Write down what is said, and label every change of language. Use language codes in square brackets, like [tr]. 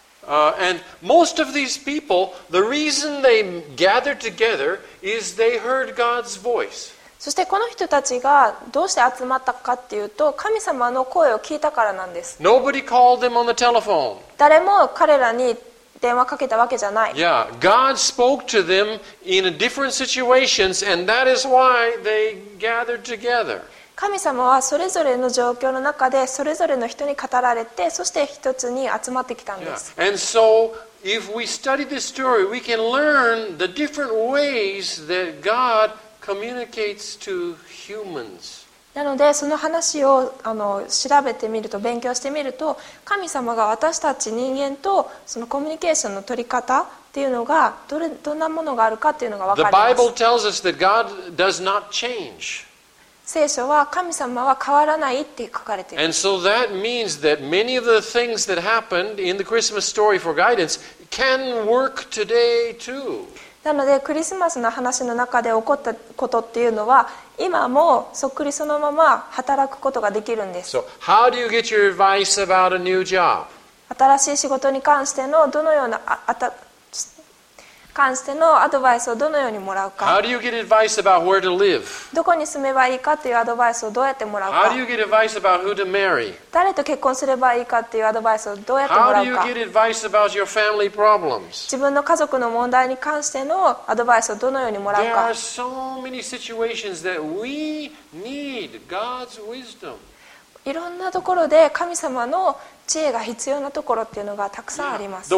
[en] And most of these people, the reason they gathered together is they heard God's voice. [ja] そしてこの人たちがどうして集まったかっていうと神様の声を聞いたからなんです。 [en] Nobody called them on the telephone. [ja] 誰も彼らに電話かけたわけじゃない。 [en] Yeah, God spoke to them in different situations, and that is why they gathered together. [ja] 神様はそれぞれの状況の中でそれぞれの人に語られて、そして一つに集まってきたんです。 [en] Yeah. And so, if we study this story, we can learn the different ways that God communicates to humans. [ja] なのでその話を調べてみると勉強してみると、神様が私たち人間とそのコミュニケーションの取り方っていうのが どんなものがあるかっていうのが分かります。 [en] The Bible tells us that God does not change. [ja] 聖書は神様は変わらないって書かれています [en] 。 And so that means that many of the things that happened in the Christmas story for guidance can work today too. [ja] なのでクリスマスの話の中で起こったことっていうのは今もそっくりそのまま働くことができるんです。 [en] So, how do you get your advice about a new job? [ja] 新しい仕事に関してのどのような関してのアドバイスをどのようにもらうか。 [en] How do you get advice about where to live? [ja] どこに住めばいいかっていうアドバイスをどうやってもらうか。 [en] How do you get advice about who to marry? [ja] 誰と結婚すればいいかっていうアドバイスをどうやってもらうか。 [en] How do you get advice about your family problems? [ja] 自分の家族の問題に関してのアドバイスをどのようにもらうか。 [en] There are so many situations that we need God's wisdom. [ja] いろんなところで神様の知恵が必要なところっていうのがたくさんあります。